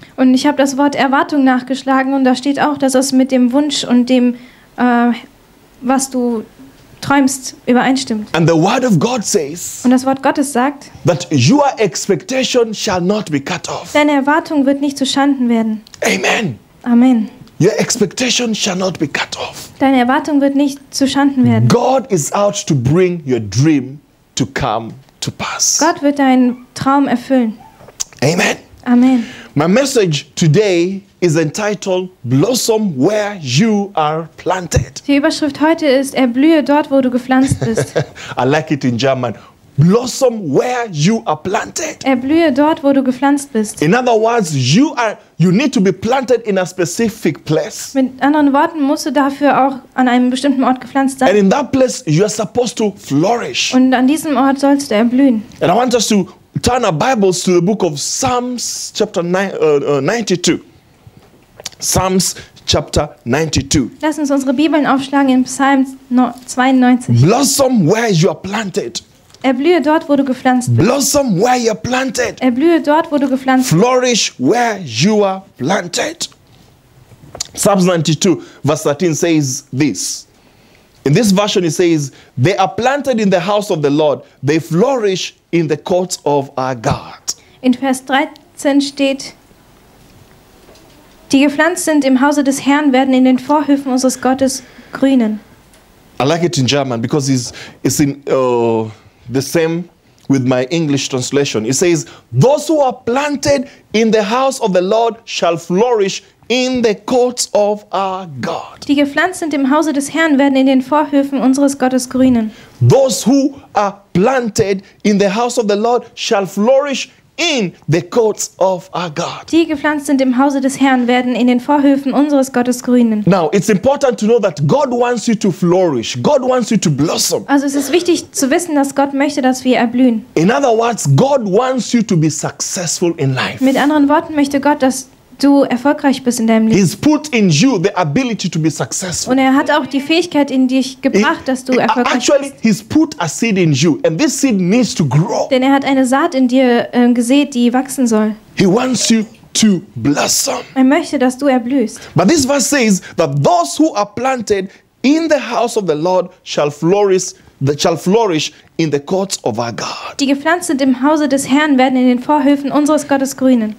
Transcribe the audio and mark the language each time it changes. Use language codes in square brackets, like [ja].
[de] Und ich habe das Wort Erwartung nachgeschlagen, und da steht auch, dass es mit dem Wunsch und dem, was du träumst, übereinstimmt. [en] And the word of God says, [de] und das Wort Gottes sagt, [en] that your expectation shall not be cut off. [de] Deine Erwartung wird nicht zuschanden werden. Amen. Amen. [en] Your expectation shall not be cut off. [de] Deine Erwartung wird nicht zuschanden werden. [en] God is out to bring your dream to come to pass. [de] Gott wird deinen Traum erfüllen. Amen. Amen. [en] My message today is entitled Blossom Where You Are Planted. [de] Die Überschrift heute ist Erblühe dort, wo du gepflanzt bist. [en] I like it in German. Blossom where you are planted. [de] Erblühe dort, wo du gepflanzt bist. [en] In other words, you need to be planted in a specific place. [de] Mit anderen Worten, musst du dafür auch an einem bestimmten Ort gepflanzt sein. [en] And in that place you are supposed to flourish. [de] Und an diesem Ort sollst du erblühen. [en] And I want us to turn our Bibles to the book of Psalms chapter 92. Psalms chapter 92. [de] Lass uns unsere Bibeln aufschlagen in Psalm 92. [en] Blossom where you are planted. [de] Erblühe dort, wo du gepflanzt bist. [en] Blossom where you are planted. [de] Erblühe dort, wo du gepflanzt bist. [en] Flourish where you are planted. Psalms 92 verse 13 says this. In this version it says, they are planted in the house of the Lord. They flourish in the courts of our God. [de] In Vers 13 steht, die gepflanzt sind im Hause des Herrn, werden in den Vorhöfen unseres Gottes grünen. [en] I like it in German because it's in the same with my English translation. It says, those who are planted in the house of the Lord shall flourish in the courts of our God. [de] Die gepflanzt sind im Hause des Herrn, werden in den Vorhöfen unseres Gottes grünen. [en] Those who are planted in the house of the Lord shall flourish in the courts of our God. [de] Die gepflanzt sind im Hause des Herrn, werden in den Vorhöfen unseres Gottes grünen. [en] Now, it's important to know that God wants you to flourish. God wants you to blossom. [de] Also es ist wichtig zu wissen, dass Gott möchte, dass wir erblühen. [en] In other words, God wants you to be successful in life. [de] Mit anderen Worten möchte Gott, dass du erfolgreich bist in deinem Leben. [en] He's put in you the ability to be successful. [de] Und er hat auch die Fähigkeit in dich gebracht, dass du erfolgreich [en] actually, [de] bist. [en] He's put a seed in you, and this seed needs to grow. [de] Denn er hat eine Saat in dir gesät, die wachsen soll. [en] He wants you to blossom. [de] Er möchte, dass du erblühst. [en] But this verse says that those who are planted in the house of the Lord shall flourish. That shall flourish in the courts of our God. [de] Die gepflanzt sind im Hause des Herrn, werden in den Vorhöfen unseres Gottes grünen.